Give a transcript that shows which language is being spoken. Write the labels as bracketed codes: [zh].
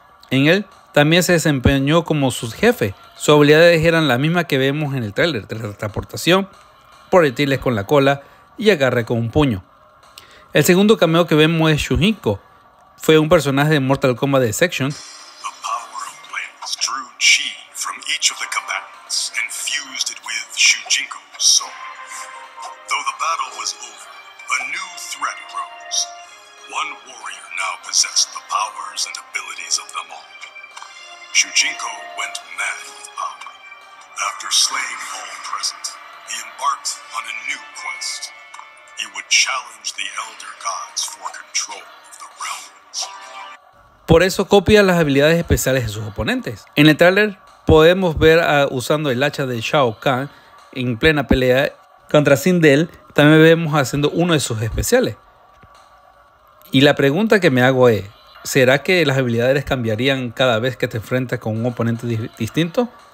[es] En él también se desempeñó como su jefe. Sus habilidades eran las mismas que vemos en el tráiler: teletransportación, proyectiles con la cola y agarre con un puño. El segundo cameo que vemos es Shujinko. Fue un personaje de Mortal Kombat de Section. [en] The power of blends drew chi from each of the combatants and fused it with Shujinko's soul. Though the battle was over, a new threat rose. One warrior now possessed the powers and abilities of them all. Shujinko went mad with power. After slaying all present, he embarked on a new quest. He would challenge the elder gods for control of the realm. [es] Por eso copia las habilidades especiales de sus oponentes. En el tráiler podemos ver usando el hacha de Shao Kahn en plena pelea contra Sindel, también vemos haciendo uno de sus especiales. Y la pregunta que me hago es, ¿será que las habilidades cambiarían cada vez que te enfrentas con un oponente distinto?